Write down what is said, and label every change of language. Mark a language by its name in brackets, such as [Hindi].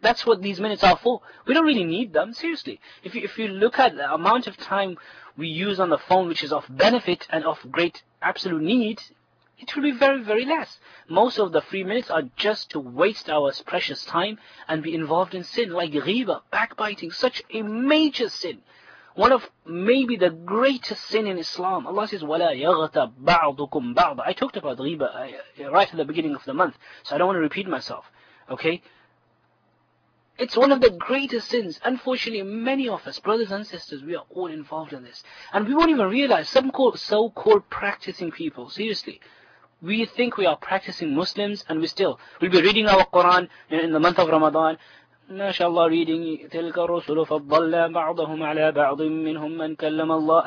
[English] That's what these minutes are for. We don't really need them, seriously. If you look at the amount of time we use on the phone, which is of benefit and of great absolute need, it will be very, very less. Most of the free minutes are just to waste our precious time and be involved in sin, like ghibah, backbiting, such a major sin. One of maybe the greatest sin in Islam. Allah says, [Arabic] وَلَا يَغْتَ بَعْضُكُمْ بَعْضًا. [English] I talked about ghibah right at the beginning of the month, so I don't want to repeat myself, okay? It's one of the greatest sins. Unfortunately, many of us, brothers and sisters, we are all involved in this. And we won't even realize, some so-called practicing people, seriously, we think we are practicing Muslims, and we still, we'll be reading our Quran in the month of Ramadan. [Arabic] MashaAllah, reading, تِلْكَ الرُّسُلُ فَضَّلَّا بَعْضَهُمْ عَلَىٰ بَعْضٍ مِّنْهُمْ مَّنْ كَلَّمَ اللَّهِ.